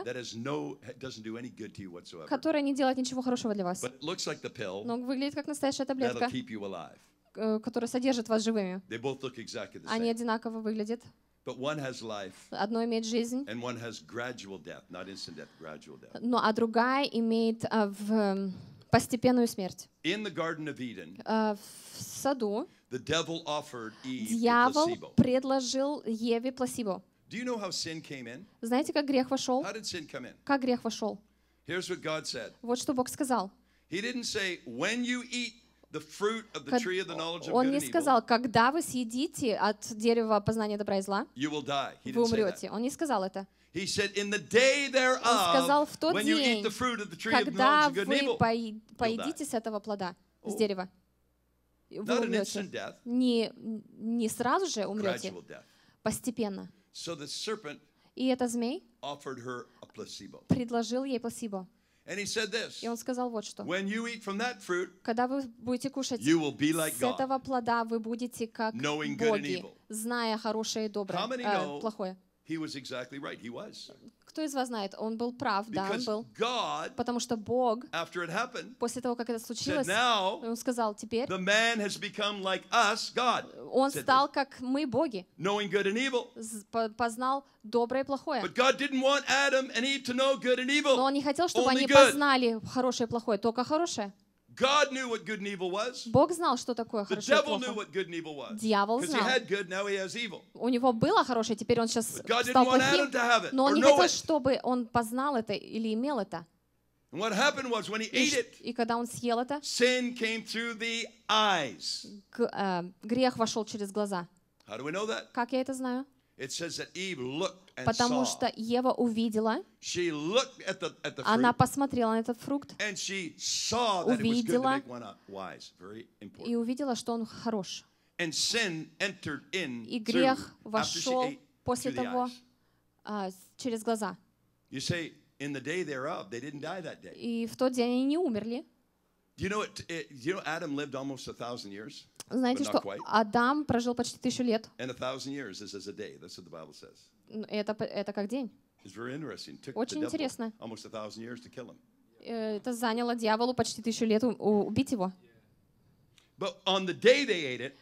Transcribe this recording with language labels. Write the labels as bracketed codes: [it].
[en] That has no, doesn't do any good to you whatsoever. [ru] Которая не делает ничего хорошего для вас. [en] But looks like the pill. [ru] Но выглядит как настоящая таблетка. [en] That'll keep you alive. [ru] Которая содержит вас живыми. [en] They both look exactly the same. [ru] Они одинаково выглядят. [en] But one has life. [ru] Одно имеет жизнь. [en] And one has gradual death, not instant death, gradual death. [ru] Но а другая имеет постепенную смерть. [en] In the Garden of Eden. [ru] В саду. [en] The devil offered Eve placebo. [ru] Дьявол предложил Еве плацебо. [en] Do you know how sin came in? [ru] Знаете, как грех вошел? [en] How did sin come in? [ru] Как грех вошел? [en] Here's what God said. [ru] Вот что Бог сказал. [en] He didn't say when you eat the fruit of the tree of the knowledge of good and evil. [ru] Он не сказал, когда вы съедите от дерева познания добра и зла, [en] you will die. [ru] Вы умрете. Он не сказал это. [en] He said, in the day thereof, [ru] он сказал, в тот день, [en] when you eat the fruit of the tree of knowledge of good and evil, [ru] когда вы поедите с этого плода, с дерева, вы умрете. Не сразу же умрете. Постепенно. [en] So the serpent [ru] и этот змей [en] offered her a placebo. [ru] Предложил ей плацебо. [en] And he said this. [ru] И он сказал вот что. [en] When you eat from that fruit, [ru] когда вы будете кушать [en] like [ru] с [en] God, [ru] этого плода, вы будете как боги, зная хорошее и доброе, плохое. [en] He was exactly right. He was. [ru] Кто из вас знает, он был прав, [en] because [ru] да, он был. [en] God, [ru] потому что Бог, [en] after it happened, [ru] после того, как это случилось, [en] said, [ru] он сказал, теперь [en] the man has become like us, God, [ru] он стал как мы, боги, [en] knowing good and evil. [ru] Познал доброе и плохое. [en] But God didn't want Adam and Eve to know good and evil, [ru] но он не хотел, чтобы [en] only [ru] они [en] good. [ru] Познали хорошее и плохое, только хорошее. [en] God knew what good and evil was. [ru] Бог знал, что такое хорошо и плохо. [en] The devil knew what good and evil was. [ru] Дьявол знал. [en] Because he had good, now he has evil. [ru] У него было хорошее, теперь он сейчас стал плохим. [en] But God didn't want Adam to have it. [ru] Но он не хотел, чтобы он познал это или имел это. [en] And what happened was when he ate it, [ru] и когда он съел это, [en] sin came through the eyes. [ru] Грех вошел через глаза. [en] How do we know that? [ru] Как я это знаю? [en] It says that Eve looked and saw. [ru] Потому что Ева увидела. [en] She looked at the fruit. [ru] Она посмотрела на этот фрукт. [en] And she saw that [ru] увидела, [en] it was good to make one wise. Very important. [ru] И увидела, что он хорош. [en] And sin entered in. [ru] И грех вошел после того через глаза. [en] You say in the day thereof they didn't die that day. [ru] И в тот день они не умерли. [en] Do you know it, it, you know Adam lived almost 1,000 years? [ru] Знаете, что Адам прожил почти 1,000 лет. [en] And 1,000 years is as a day. That's what the Bible says. [ru] Это как день. [en] It's very interesting. Took [ru] очень интересно. [en] Almost 1,000 years to kill him. [ru] Это заняло дьяволу почти 1,000 лет убить его. [en] But on the day they ate it.